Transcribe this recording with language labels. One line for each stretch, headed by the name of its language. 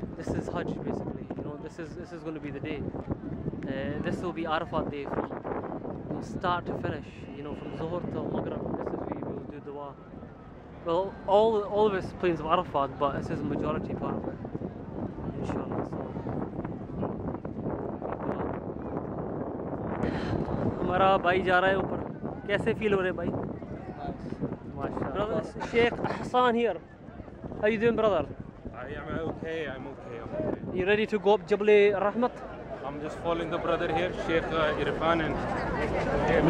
English: This is Hajj basically. You know, this is gonna be the day. This will be Arafat day from start to finish. From Zuhur to Maghrib, this is where you will do Dua. Well, all of it's plains of Arafat, but this is the majority part of it. Inshallah. So.
Urdu: ہمارا بھائی جا رہا ہے اوپر۔ کیسے فیل ہو رہے ہے بھائی؟
English: MashaAllah. Brother, this is Sheikh Ahsan here. How you doing, brother? I'm okay. You ready to go up Jabal Rahmat? I'm just following the brother here, Sheikh Irfan and...